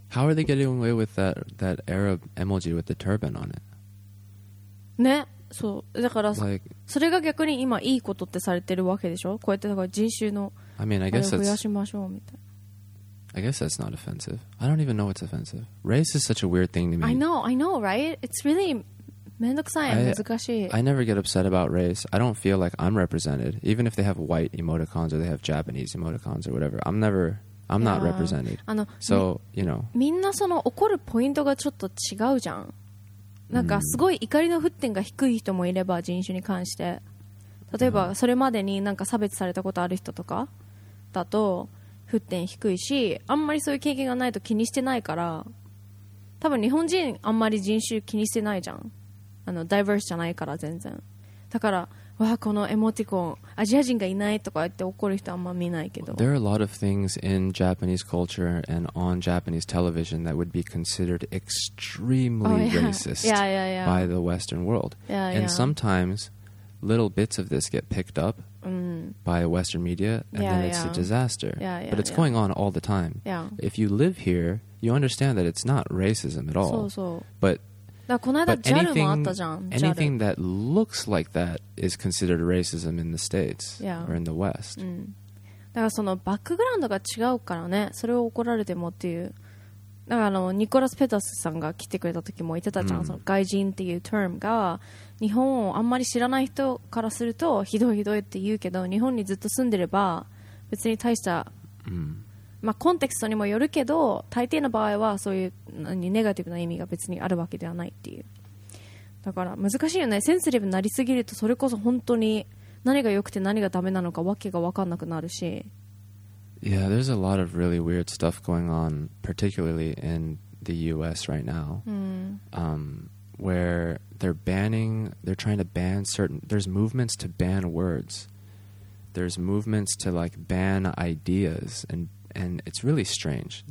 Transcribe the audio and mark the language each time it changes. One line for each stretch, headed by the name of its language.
English: How are they getting away with that Arab emoji with the turban on it?
Japanese: ね、そうだから like, それが逆に今いいことってされてるわけでしょ。こうやってだから人種の
English: I mean, I guess
Japanese: 増やしましょうみたいな。
English: I guess that's not offensive. I don't even know what's offensive. Race is such a weird thing to me. I know, right? It's really
Japanese: めんどくさい、難しい。
English: I never get upset about race. I don't feel like I'm represented. Even if they have white emoticons or they have Japanese emoticons or whatever, I'm not represented. So, you know.
Japanese: みんなその怒るポイントがちょっと違うじゃん。なんかすごい怒りの沸点が低い人もいれば、人種に関して。例えばそれまでになんか差別されたことある人とかだと沸点低いし、あんまりそういう経験がないと気にしてないから、多分日本人あんまり人種気にしてないじゃん。あのダイバースじゃないから全然。だからわあこのエモティコンアジア人がいないとか言って怒る人あんま見ないけど。
English: There are a lot of things in Japanese culture and on Japanese television that would be considered extremely racist by the Western world. And sometimes little bits of this get picked up by Western media and then it's a disaster. But it's going on all the time. If you live here, you understand that it's not racism at all.
Japanese: そうそう。
English: But
Japanese: だこの間 JAL もあったじゃん。
English: Anything that looks like that is considered racism in the States or in the West.
Japanese: だからそのバックグラウンドが違うからね、それを怒られてもっていう。だからニコラス・ペタスさんが来てくれた時も言ってたじゃん、うん、その外人っていうトームが日本をあんまり知らない人からするとひどいひどいって言うけど、日本にずっと住んでれば別に大した、うん、まあ、コンテクストにもよるけど大抵の場合はそういうネガティブな意味が別にあるわけではないっていう。だから難しいよね、センシティブになりすぎるとそれこそ本当に何が良くて何がダメなのかわけが分かんなくなるし。
English: Yeah, there's a lot of really weird stuff going on, particularly in the U.S. right now,、mm. Where they're banning, they're trying to ban certain, there's movements to ban words. There's movements to, like, ban ideas, and it's really strange.